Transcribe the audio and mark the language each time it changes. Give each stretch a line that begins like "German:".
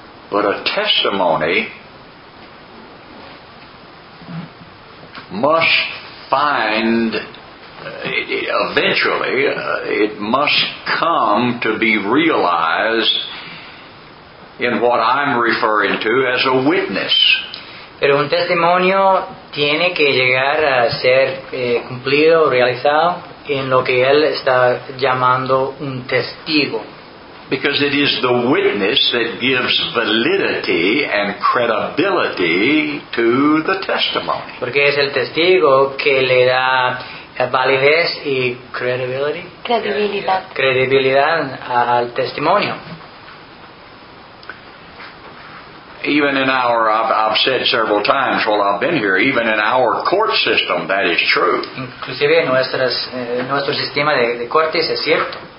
English: But a testimony must find eventually it must come to be realized in what I'm referring to as a witness.
Spanish: Pero un testimonio tiene que llegar a ser cumplido, realizado en lo que él está llamando un testigo.
English: Because it is the witness that gives validity and credibility to the testimony.
Spanish: Porque es el testigo que le da validez y credibility. Credibilidad. Credibilidad al testimonio.
English: Even in our, I've said several times while I've been here, even in our court system, that is true.
Spanish: Inclusive en nuestro sistema de cortes es cierto.